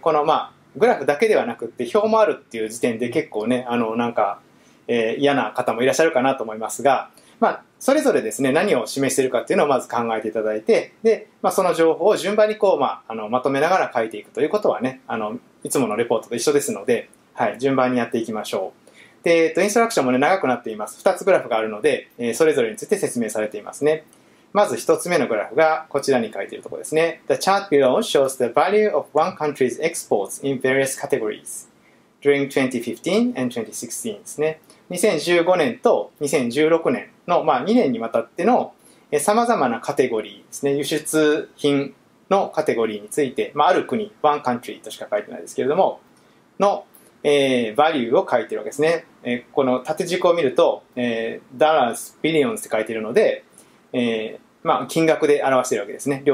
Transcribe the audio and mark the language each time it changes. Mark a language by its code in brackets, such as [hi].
[ja] この、まあ、グラフだけではなくって表もあるっていう時点で結構ね、なんか、嫌な方もいらっしゃるかなと思いますが、まあ、それぞれですね、何を示しているかっていうのをまず考えていただいて、で、まあ、その情報を順番にこう、まあ、まとめながら書いていくということはね、いつものレポートと一緒ですので、はい、順番にやっていきましょう。で、インストラクションもね、長くなっています。2つグラフがあるので、それぞれについて説明されていますね。まず1つ目のグラフがこちらに書いているところですね。 [en] The chart below shows the value of one country's exports in various categories during 2015 and 2016 [ja] ですね。 2015年と2016年の、まあ、2年にわたっての、様々なカテゴリーですね。輸出品のカテゴリーについて、まあ、ある国、 [en] one country [ja] としか書いてないですけれども、の、バリューを書いてるわけですね。この縦軸を見ると、 [en] dollars, billions [ja] って書いてるので、まあ、金額で表してるわけですね。